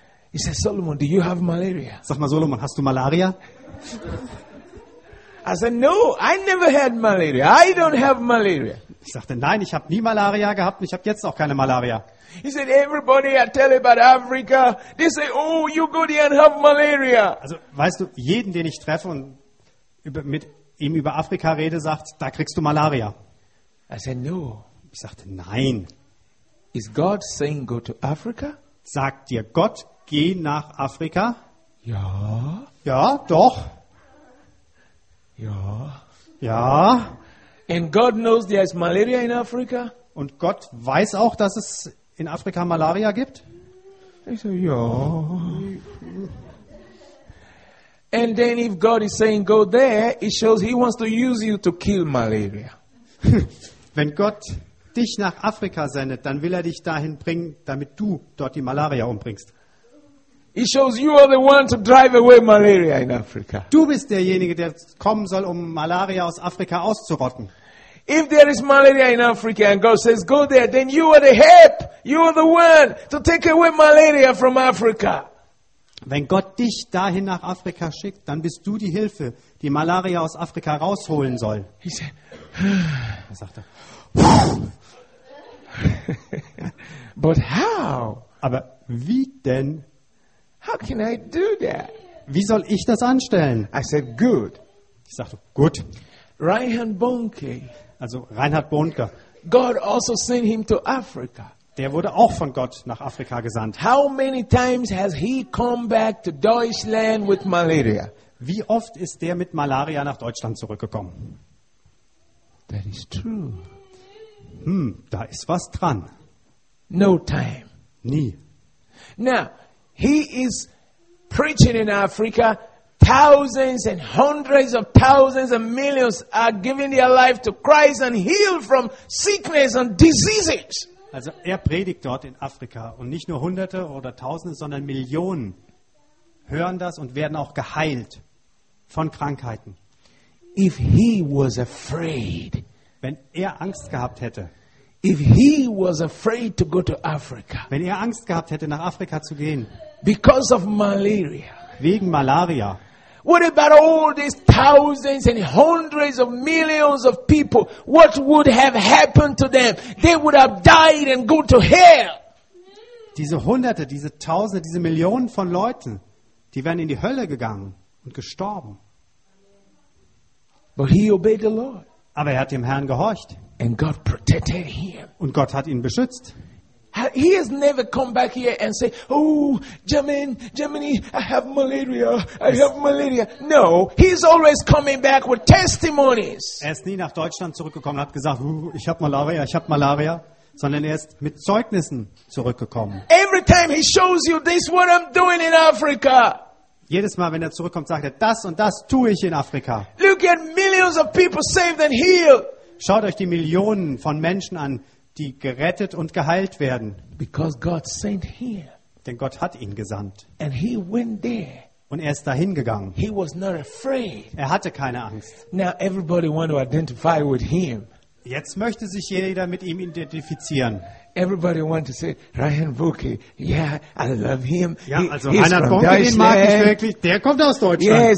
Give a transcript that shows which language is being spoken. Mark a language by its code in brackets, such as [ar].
[en] He said, Solomon, do you have malaria? [de] Sag mal, Solomon, hast du Malaria? [en] I said, no, I never had malaria. I don't have malaria. [de] Ich sagte, nein, ich habe nie Malaria gehabt und ich habe jetzt auch keine Malaria. [en] He said, everybody I tell about Africa, they say, oh, you go there and have malaria. [de] Also, weißt du, jeden, den ich treffe und mit ihm über Afrika rede, sagt, da kriegst du Malaria. [en] I said, no. [de] Ich sagte, nein. [en] Is God saying go to Africa? [de] Sagt dir Gott, geh nach Afrika? Ja. Ja, doch. Ja. Ja. [en] And God knows there is malaria in Africa? [de] Und Gott weiß auch, dass es in Afrika Malaria gibt? Ich sage, ja. [en] And then if God is saying go there, it shows he wants to use you to kill malaria. [de] Wenn Gott dich nach Afrika sendet, dann will er dich dahin bringen, damit du dort die Malaria umbringst. [en] It shows you are the one to drive away malaria in Africa. [de] Du bist derjenige, der kommen soll, um Malaria aus Afrika auszurotten. [en] If there is malaria in Africa and God says go there, then you are the help. You are the one to take away malaria from Africa. [de] Wenn Gott dich dahin nach Afrika schickt, dann bist du die Hilfe, die Malaria aus Afrika rausholen soll. [en] He said, [de] er sagte, [en] but how? [de] Aber wie denn? [en] How can I do that? [de] Wie soll ich das anstellen? [en] I said, good. [de] Ich sagte, gut. Reinhard Bonnke. Also Reinhard Bonnke. [en] God also sent him to Africa. [de] Der wurde auch von Gott nach Afrika gesandt. [en] How many times has he come back to Deutschland with malaria? [de] Wie oft ist der mit Malaria nach Deutschland zurückgekommen? [en] That is true. [de] Da ist was dran. [en] No time. [de] Nie. [en] Now, he is preaching in Africa. Thousands and hundreds of thousands and millions are giving their life to Christ and healed from sickness and diseases. [de] Also er predigt dort in Afrika und nicht nur Hunderte oder Tausende, sondern Millionen hören das und werden auch geheilt von Krankheiten. [en] If he was afraid, [de] wenn er Angst gehabt hätte, [en] if he was afraid to go to Africa, [de] wenn er Angst gehabt hätte, nach Afrika zu gehen, [en] because of malaria, [de] wegen Malaria, [en] what about all these thousands and hundreds of millions of people? What would have happened to them? They would have died and gone to hell. [de] Diese Hunderte, diese Tausende, diese Millionen von Leuten, die wären in die Hölle gegangen und gestorben. [en] But he obeyed the Lord. [de] Aber er hat dem Herrn gehorcht. [en] And God protected him. [de] Und Gott hat ihn beschützt. [en] He has never come back here and say, "Oh, Germany, I have malaria. No, he's always coming back with testimonies. [de] Er ist nie nach Deutschland zurückgekommen und hat gesagt, ich habe Malaria, sondern er ist mit Zeugnissen zurückgekommen. [en] Every time he shows you this, what I'm doing in Africa. [de] Jedes Mal, wenn er zurückkommt, sagt er, das und das tue ich in Afrika. [en] Look at millions of people saved and healed. [de] Schaut euch die Millionen von Menschen an, die gerettet und geheilt werden. [en] Because God sent him. [de] Denn Gott hat ihn gesandt. [en] And he went there. [de] Und er ist dahin gegangen. [en] He was not afraid. [de] Er hatte keine Angst. [en] Now everybody want to identify with him. [de] Jetzt möchte sich jeder mit ihm identifizieren. [en] Everybody want to say Ryan Bucke. Yeah, I love him. [de] Ja, also Reinhard Bonke, den mag ich wirklich. Der kommt aus Deutschland.